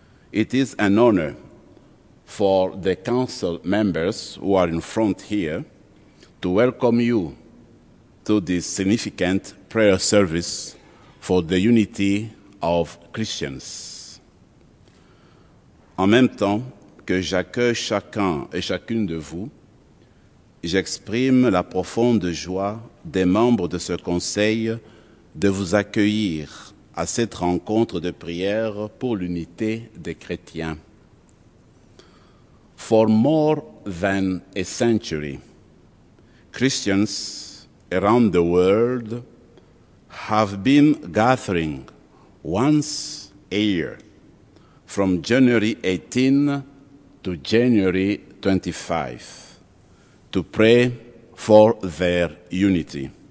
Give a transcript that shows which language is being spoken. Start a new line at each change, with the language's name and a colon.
English: It is an honor for the council members who are in front here to welcome you to this significant prayer service for the unity of Christians.
French: En même temps que j'accueille chacun et chacune de vous, j'exprime la profonde joie des membres de ce conseil de vous accueillir à cette rencontre de prière pour l'unité des chrétiens.
English: For more than a century, Christians around the world have been gathering once a year from January 18 to January 25 to pray for their unity.